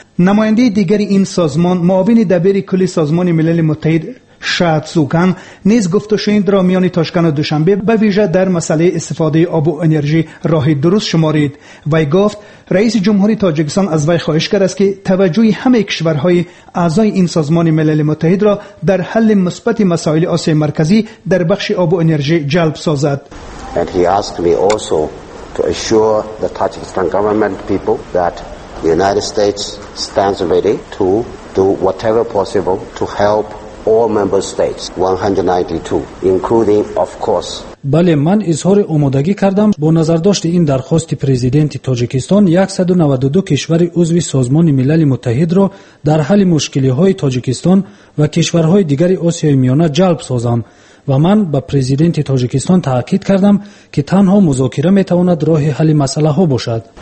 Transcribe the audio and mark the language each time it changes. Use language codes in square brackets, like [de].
[fa] نماینده دیگر این سازمان، معاون دبیر کل سازمان ملل متحد شاد سوکان، نیز گفت و شنید را میان تاشکند و دوشنبه به ویژه در مسئله استفاده آب و انرژی راه درست شمارید و گفت رئیس جمهوری تاجیکستان از وی خواهش کرد است که توجه همه کشورهای اعضای این سازمان ملل متحد را در حل مثبت مسائل آسیای مرکزی در بخش آب و انرژی جلب سازد. [en] And he asked me also to assure the Tajikistan government people that the United States stands ready to do whatever possible to help all member states 192 including of course. [fa] بله، من اظهار آمادگی کردم. با نظر داشت این درخواست پرزیدنت تاجیکستان، 192 کشور عضو سازمان ملل متحد را در حل مشکلی های تاجیکستان و کشورهای دیگر آسیای میانه جلب سازم و من با پرزیدنت تاجیکستان تاکید کردم که تنها مذاکره میتواند راه حل مسئله ها باشد.